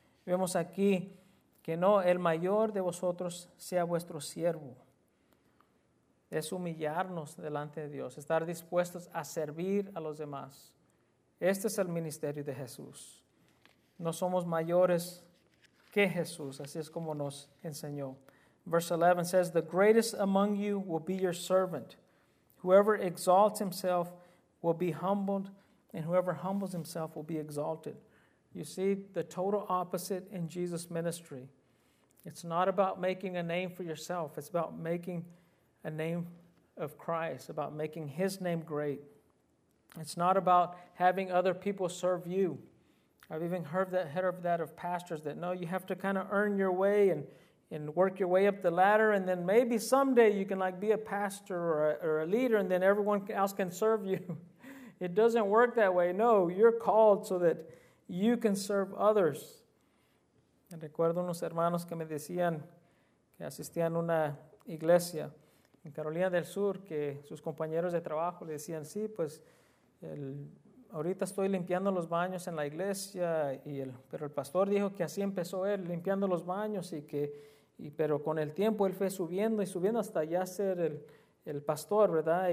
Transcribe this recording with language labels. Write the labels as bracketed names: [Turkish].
[Spanish] Vemos aquí que no, el mayor de vosotros sea vuestro siervo. Es humillarnos delante de Dios, estar dispuestos a servir a los demás. Este es el ministerio de Jesús. No somos mayores que Jesús, así es como nos enseñó. [English] Verse 11 says, the greatest among you will be your servant. Whoever exalts himself will be humbled, and whoever humbles himself will be exalted. You see the total opposite in Jesus' ministry. It's not about making a name for yourself. It's about making a name of Christ, about making his name great. It's not about having other people serve you. I've even heard of that of pastors that, no, you have to kind of earn your way and work your way up the ladder, and then maybe someday you can like be a pastor or a leader, and then everyone else can serve you. It doesn't work that way. No, you're called so that you can serve others. [Spanish] Recuerdo unos hermanos que me decían que asistían a una iglesia en Carolina del Sur, que sus compañeros de trabajo le decían, sí, pues ahorita estoy limpiando los baños en la iglesia, pero el pastor dijo que así empezó él, limpiando los baños, pero con el tiempo él fue subiendo y subiendo hasta ya ser el pastor, ¿verdad?